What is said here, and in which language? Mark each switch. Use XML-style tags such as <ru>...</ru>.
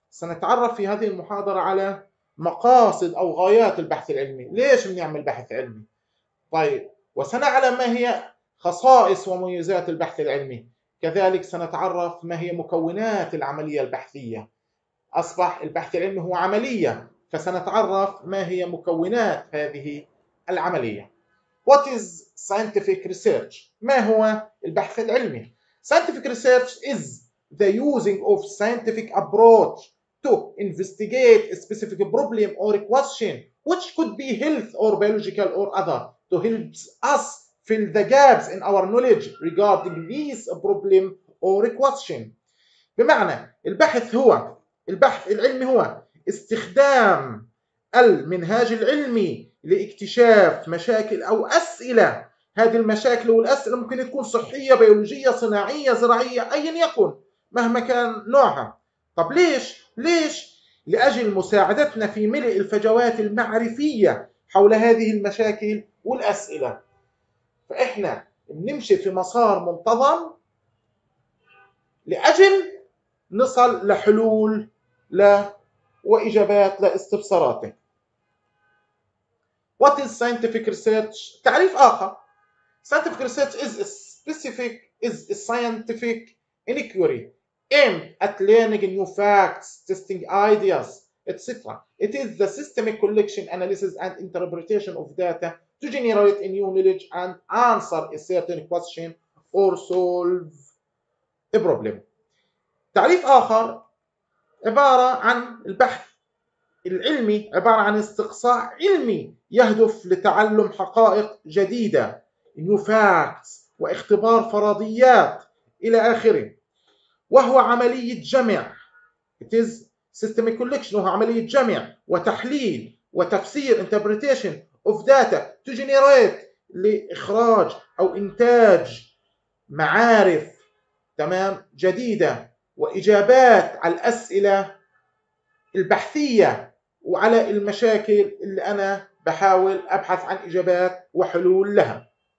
<ar>سنتعرف في هذه المحاضرة على مقاصد أو غايات البحث العلمي، ليش بنعمل بحث علمي؟ طيب، وسنعلم ما هي خصائص ومميزات البحث العلمي، كذلك سنتعرف ما هي مكونات العملية البحثية. أصبح البحث العلمي هو عملية، فسنتعرف ما هي مكونات هذه العملية.</ar> <en>What is scientific research؟</en> <ar>ما هو البحث العلمي؟</ar> <en>Scientific research is the using of scientific approach to investigate a specific problem or question which could be health or biological or other. To help us fill the gaps in our knowledge regarding this problem or question.</en> <ar>بمعنى البحث العلمي هو استخدام المنهاج العلمي لاكتشاف مشاكل أو أسئلة. هذه المشاكل والأسئلة ممكن تكون صحية، بيولوجية، صناعية، زراعية، أيا يكن، مهما كان نوعها. طب ليش؟ لأجل مساعدتنا في ملء الفجوات المعرفية حول هذه المشاكل والأسئلة. فإحنا بنمشي في مسار منتظم لأجل نصل لحلول وإجابات لاستفساراتك.</ar> <en>What is scientific research؟</en> <ar>تعريف آخر.</ar> <en>Scientific research is a scientific inquiry aimed at learning new facts, testing ideas, etc. It is the systemic collection, analysis and interpretation of data to generate a new knowledge and answer a certain question or solve a problem.</en> <ar>تعريف آخر عبارة عن البحث العلمي، عبارة عن استقصاء علمي يهدف لتعلم حقائق جديدة،</ar> <en>new facts،</en> <ar>واختبار فرضيات إلى آخره. وهو عملية جمع.</ar> <en>It is systemic collection،</en> <ar>وهو عملية جمع وتحليل وتفسير</ar> <en>interpretation of data to generate</en> <ar>لإخراج أو إنتاج معارف تمام جديدة وإجابات على الأسئلة البحثية وعلى المشاكل اللي أنا بحاول أبحث عن إجابات وحلول لها.</ar>